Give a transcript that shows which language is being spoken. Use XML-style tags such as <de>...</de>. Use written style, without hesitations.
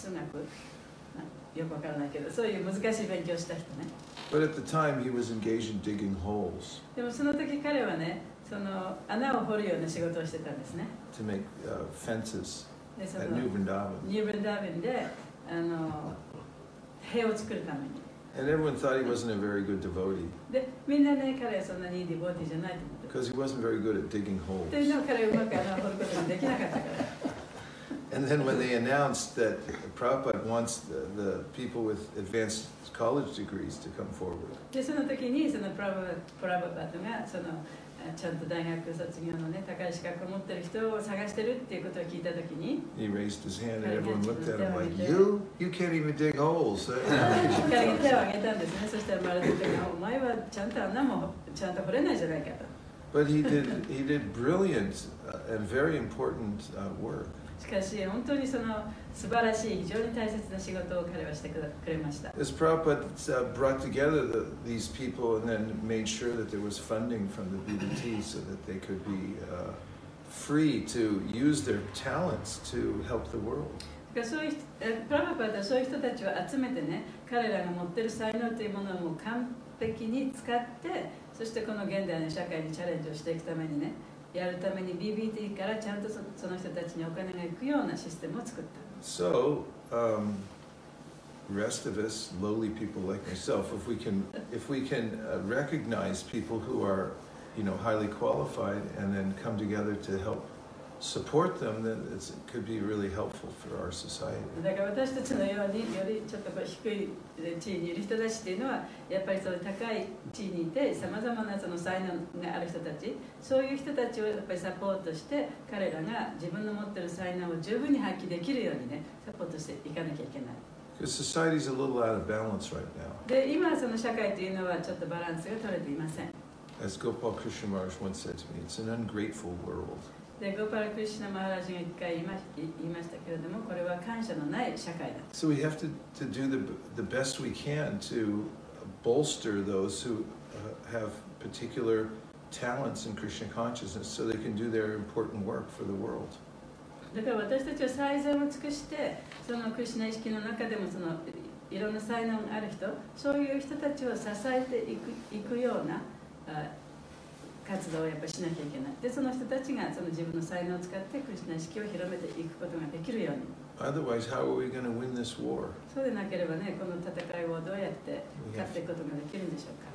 <ja>生理数学、よくわからないけど、そういう難しい勉強した人ね。</ja> <en>But at the time, he was engaged in digging holes.</en> <ja>でもその時彼はね、その穴を掘るような仕事をしてたんですね。</ja> <en>To make fences at New Vrindavan.</en> <ja>New Vrindavan で、塀を作るために。</ja> <en>And everyone thought he wasn't a very good devotee.</en> <ja>で、みんなね、彼はそんなにいいディボーティーじゃないと思って。</ja> <en>Because he wasn't very good at digging holes.</en> <ja>で、彼はうまく穴を掘ることができなかったから。</ja> <en>And then when they announced that Prabhupada wants the people with advanced college degrees to come forward.</en> <ja>で、その時にそのプラヴァパダがそのちゃんと大学卒業のね、高い資格を持ってる人を探してるっていうことを聞いた時に、</ja> <en>He raised his hand and everyone looked at him like, You can't even dig holes.</en> <ja>手を挙げたんですね。そしたらまるで、お前はちゃんと穴もちゃんと掘れないじゃないかと。</ja> <en>But he did brilliant and very important work.</en> <ja>しかし、本当にその素晴らしい、非常に大切な仕事を彼はしてくれました。</ja> <en>As Prabhupada brought together these people and then made sure that there was funding from the BDT so that they could be free to use their talents to help the world.</en> <ja>Prabhupada はそういう人たちを集めてね、彼らが持ってる才能というものをもう完璧に使って、そしてこの現代の社会にチャレンジをしていくためにね、やるために BBT からちゃんとその人たちにお金が行くようなシステムを作った。</ja> <en>So, rest of us, lowly people like myself, if we can recognize people who are, you know, highly qualified and then come together to help support them, then it could be really helpful for our society.</en> <ja>だから私たちのようによりちょっと低い地位にいる人たちっていうのは、やっぱりその高い地位にいて、さまざまなその才能がある人たち、そういう人たちをやっぱりサポートして、彼らが自分の持ってる才能を十分に発揮できるようにね、サポートしていかなきゃいけない。</ja> <en>Because society is a little out of balance right now.</en> <ja>で、今その社会というのはちょっとバランスが取れていません。</ja> <en>As Gopal Krishna Maharaj once said to me, it's an ungrateful world.</en> <ja>で、ゴパラクリシュナ・マハラジが一回言いましたけれども、これは感謝のない社会だ。</ja> <en>So we have to do the best we can to bolster those who have particular talents in Krishna consciousness so they can do their important work for the world.</en> <ja>だから私たちは最善を尽くして、そのクリシュナ意識の中でもそのいろんな才能がある人、そういう人たちを支えていくような、活動をやっぱしなきゃいけない。で、その人たちがその自分の才能を使ってクリスナ意識を広めていくことができるように。</ja> <en>Otherwise, how are we going to win this war?</en> <ja>そうでなければね、この戦いをどうやって勝っていくことができるんでしょうか。</ja>